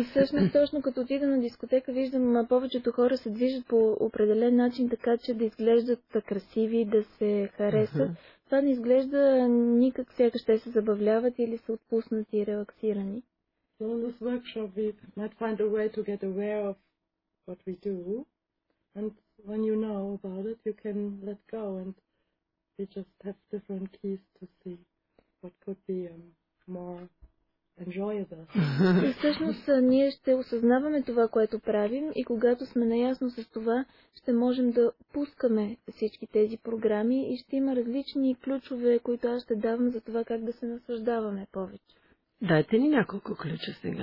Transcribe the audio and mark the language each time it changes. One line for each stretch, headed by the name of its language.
Bulgarian: И всъщност, точно като отида на дискотека, виждам, повечето хора се движат по определен начин, така че да изглеждат красиви, да се харесат. Това не изглежда никак, сякаш те се забавляват или са отпуснати и релаксирани.
English: So in this workshop we might find a way to get aware of what we do. And when you know about it, you can let go and we just have different keys to see what could be more enjoyable.
Bulgarian: Всъщност ние ще осъзнаваме това, което правим, и когато сме наясно с това, ще можем да пускаме всички тези програми и ще има различни ключове, които аз ще давам за това как да се наслаждаваме повече. Дайте ни няколко ключа сега.